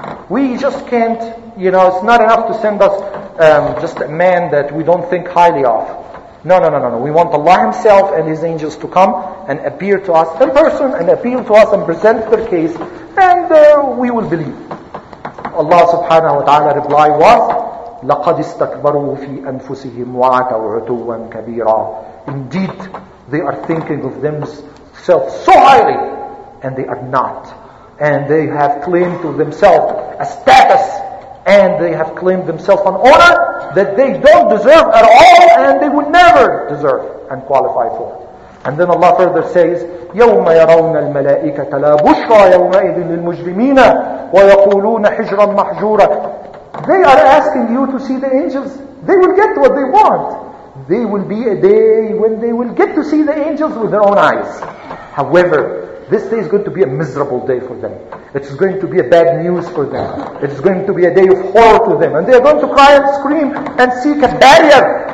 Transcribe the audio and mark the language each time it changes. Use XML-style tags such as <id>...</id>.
<en>We just can't, you know, it's not enough to send us just a man that we don't think highly of. No. We want Allah Himself and His angels to come and appear to us in person and appeal to us and present their case, and we will believe. Allah subhanahu wa ta'ala reply was,</en> <ar>لَقَدْ اسْتَكْبَرُوا فِي أَنفُسِهِمْ وَعَتَوْ عُتُوًا كَبِيرًا.</ar> <en>Indeed, they are thinking of themselves so highly, and they are not. And they have claimed to themselves a status, and they have claimed themselves an honor that they don't deserve at all, and they would never deserve and qualify for. And then Allah further says,</en> <ar>يَوْمَ يَرَوْنَ الْمَلَائِكَةَ لَا بُشْرَى يَوْمَئِذٍ لِلْمُجْرِمِينَ وَيَقُولُونَ حِجْرًا مَحْجُورًا.</ar> <en>They are asking you to see the angels. They will get what they want. They will be a day when they will get to see the angels with their own eyes. However, this day is going to be a miserable day for them. It's going to be a bad news for them. It's going to be a day of horror for them. And they are going to cry and scream and seek a barrier.</en>